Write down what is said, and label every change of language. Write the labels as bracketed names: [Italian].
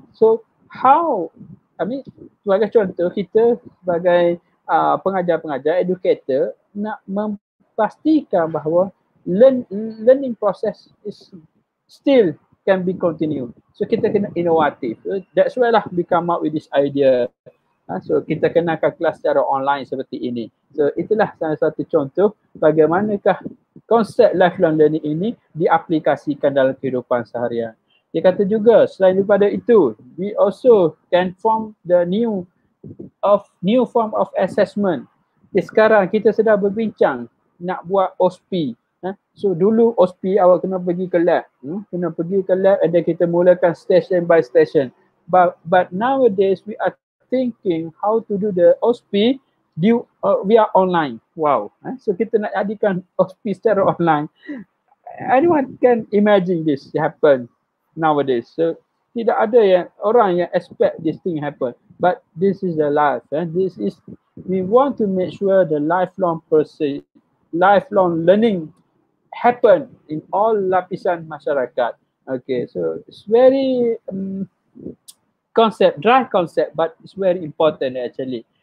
[English] So how, I mean, [Malay] sebagai contoh, kita sebagai pengajar-pengajar, [English] educator, [Malay] nak memastikan bahawa [English] learning process is still can be continued. [Malay] So kita kena inovatif. [English] That's why lah we come up with this idea. [Malay] So kita kenalkan kelas secara online seperti ini. So itulah salah satu contoh bagaimanakah konsep lifelong learning ini diaplikasikan dalam kehidupan seharian. Dia kata juga, selain daripada itu, [English] we also can form the new form of assessment. [Malay] Sekarang kita sedang berbincang nak buat OSP. So dulu OSP awak kena pergi ke lab. Kena pergi ke lab and then kita mulakan [English] station by station. But nowadays we are thinking how to do the OSP we are online. Wow. So [Malay] kita nak jadikan OSP secara online. [English] Anyone can imagine this happen nowadays. [Malay] So tidak ada yang orang yang [English] expect this thing happen. But this is the life. This is, we want to make sure the lifelong process, lifelong learning happen in all [Malay] lapisan masyarakat. [English] Okay, so it's very concept, dry concept, but it's very important actually.